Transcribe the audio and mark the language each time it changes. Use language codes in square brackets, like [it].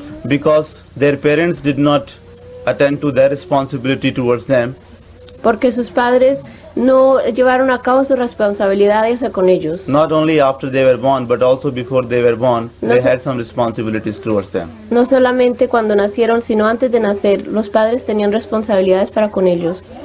[en] Because their parents did not attend to their responsibility towards them. [es] Porque sus padres no llevaron a cabo sus responsabilidades con ellos. [en] Not only after they were born, but also before they were born, they had some responsibilities towards them. [es] No solamente cuando nacieron, sino antes de nacer, los padres tenían responsabilidades para con ellos.